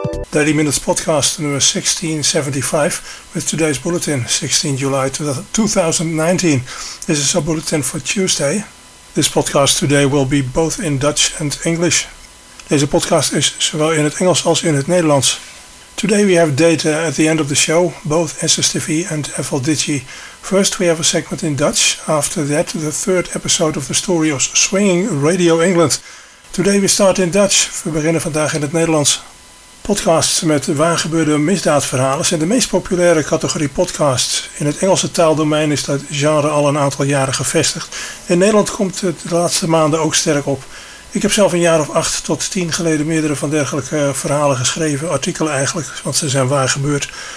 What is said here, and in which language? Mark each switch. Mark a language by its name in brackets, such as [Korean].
[English] Daily Minutes podcast number 1675 with today's bulletin, 16 July 2019. This is a bulletin for Tuesday. This podcast today will be both in Dutch and English. [Dutch] Deze podcast is zowel in het Engels als in het Nederlands. [English] Today we have data at the end of the show, both SSTV and FLDigi. First we have a segment in Dutch, after that the third episode of the story of Swinging Radio England. Today we start in Dutch, [Dutch] we beginnen vandaag in het Nederlands. Podcasts met waargebeurde misdaadverhalen zijn de meest populaire categorie podcasts. In het Engelse taaldomein is dat genre al een aantal jaren gevestigd. In Nederland komt het de laatste maanden ook sterk op. Ik heb zelf een jaar of 8 tot 10 geleden meerdere van dergelijke verhalen geschreven, artikelen eigenlijk, want ze zijn waar gebeurd.